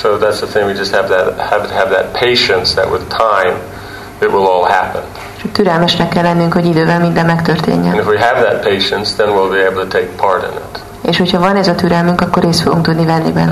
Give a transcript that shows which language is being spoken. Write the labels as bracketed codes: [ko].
[en] So that's the thing. We just have to have that patience that with time it will all happen. [hu] Csak türelmesnek kell lennünk, hogy idővel minden megtörténjen. [en] And if we have that patience, then we'll be able to take part in it. [hu] És hogyha van ez a türelmünk, akkor részt fogunk tudni venni benne.